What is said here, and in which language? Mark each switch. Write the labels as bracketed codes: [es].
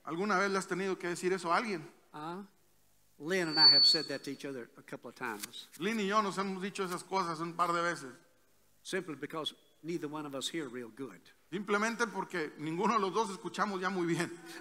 [es] ¿Alguna vez le has tenido que decir eso a alguien? [en] Lynn and I have said that to each other a couple of times. [es] Lynn y yo nos hemos dicho esas cosas un par de veces. [en] Simply because neither one of us hear real good. [es] Simplemente porque ninguno de los dos escuchamos ya muy bien.